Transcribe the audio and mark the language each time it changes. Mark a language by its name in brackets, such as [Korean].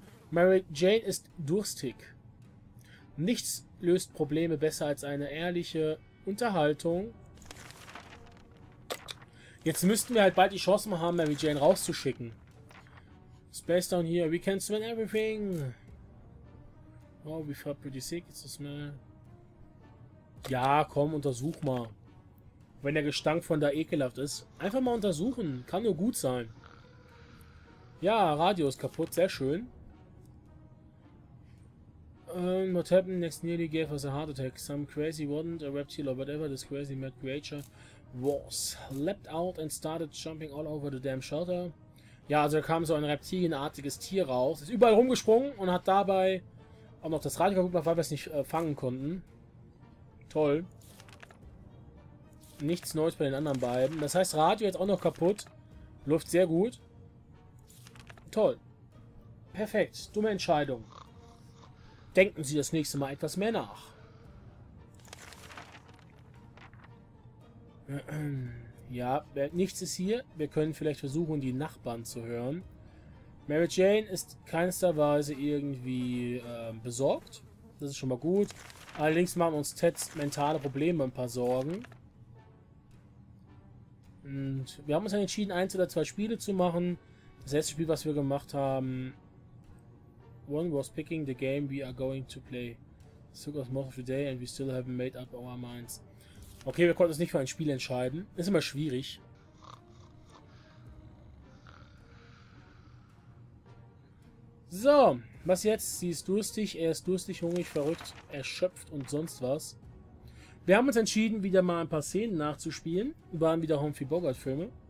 [German] Mary Jane ist durstig. Nichts löst Probleme besser als eine ehrliche Unterhaltung. Jetzt müssten wir halt bald die Chance mal haben, Mary Jane rauszuschicken. [English] Space down here, we can smell everything. Oh, we felt pretty sick, it's a smell. [German] Ja, komm, untersuch mal. Wenn der Gestank von da ekelhaft ist, einfach mal untersuchen. Kann nur gut sein. Ja, Radio ist kaputt, sehr schön. [English] What happened next nearly gave us a heart attack. Some crazy rodent, a reptile or whatever this crazy mad creature was. Leapt out and started jumping all over the damn shelter. [German] Ja, also da kam so ein reptilienartiges Tier raus, ist überall rumgesprungen und hat dabei auch noch das Radio kaputt gemacht, weil wir es nicht fangen konnten. Toll. Nichts Neues bei den anderen beiden. Das heißt, Radio jetzt auch noch kaputt. Läuft sehr gut. Toll. Perfekt. Dumme Entscheidung. Denken Sie das nächste Mal etwas mehr nach. Ja, nichts ist hier. Wir können vielleicht versuchen, die Nachbarn zu hören. Mary Jane ist keinsterweise irgendwie besorgt. Das ist schon mal gut. Allerdings machen uns Ted's mentale Probleme ein paar Sorgen. Und wir haben uns dann entschieden, eins oder zwei Spiele zu machen. Das erste Spiel, was wir gemacht haben, [English] one was picking the game we are going to play. It took us most of the day and we still haven't made up our minds. [German] Okay, wir konnten uns nicht für ein Spiel entscheiden. Ist immer schwierig. So, was jetzt? Sie ist durstig, er ist durstig, hungrig, verrückt, erschöpft und sonst was. Wir haben uns entschieden, wieder mal ein paar Szenen nachzuspielen. Wir waren wieder Humphrey Bogart Filme.